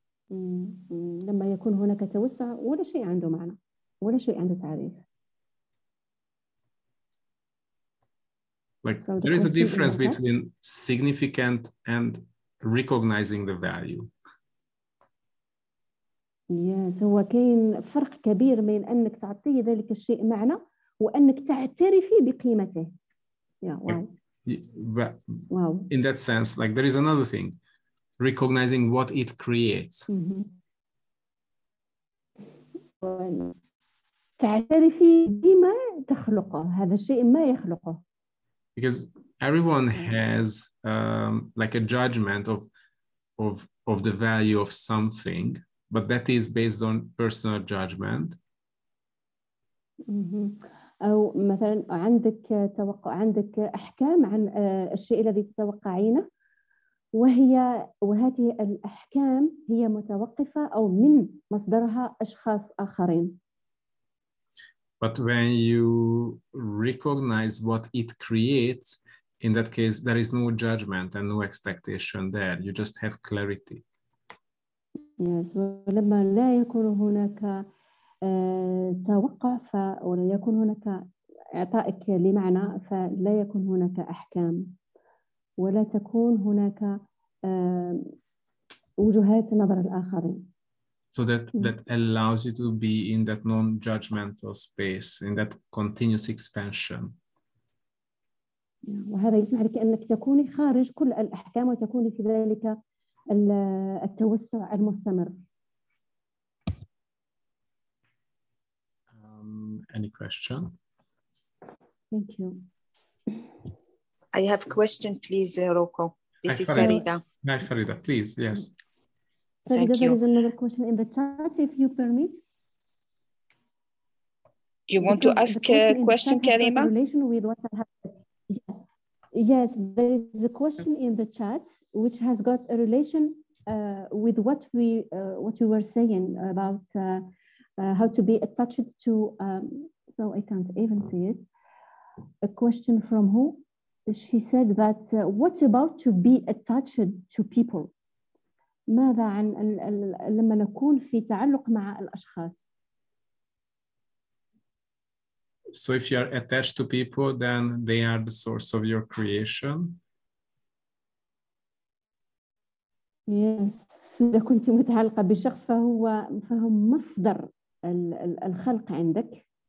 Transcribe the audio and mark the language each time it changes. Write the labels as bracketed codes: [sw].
[ar] لما يكون هناك توسع، ولا شيء عنده معنى، ولا شيء عنده تعريف. [en] Like there is a difference between significant and recognizing the value. [ar] Yes, هو كاين فرق كبير بين أنك تعطي ذلك الشيء معنى وأنك تعترفي بقيمته. [en] Yeah, wow. Yeah, in that sense, like there is another thing, recognizing what it creates. [ar] تعترفي بما تخلقه، هذا الشيء ما يخلقه. [en] Because everyone has like a judgment of the value of something, but that is based on personal judgment. [ar] أو مثلاً عندك توقع، عندك أحكام عن الشيء الذي تتوقعينه، وهذه الأحكام هي متوقفة أو من مصدرها أشخاص آخرين. [en] But when you recognize what it creates, in that case, there is no judgment and no expectation there. You just have clarity. Yes. [ar] ولما لا يكون هناك توقع ولا يكون هناك إعطائك لمعنى، فلا يكون هناك أحكام ولا تكون هناك وجهات نظر الآخرين. [en] So that allows you to be in that non-judgmental space, in that continuous expansion. [ar] وهذا يسمح لك أنك تكوني خارج كل الأحكام وتكوني في ذلك التوسع المستمر. [en] Any question? Thank you. I have a question, please, Rocco. This is Farida. Hi, Farida. Please, yes. Thank you. There is another question in the chat, if you permit. You want to ask a question, Karima? Relation with what I have. Yes, there is a question in the chat which has got a relation with what we were saying about how to be attached to. So I can't even see it. A question from who? She said that what about to be attached to people? [ar] ماذا عن لما نكون في تعلق مع الأشخاص؟ [en] So if you are attached to people, then they are the source of your creation. Yes. [ar] إذا كنت متعلقة بشخص فهم مصدر الخلق عندك.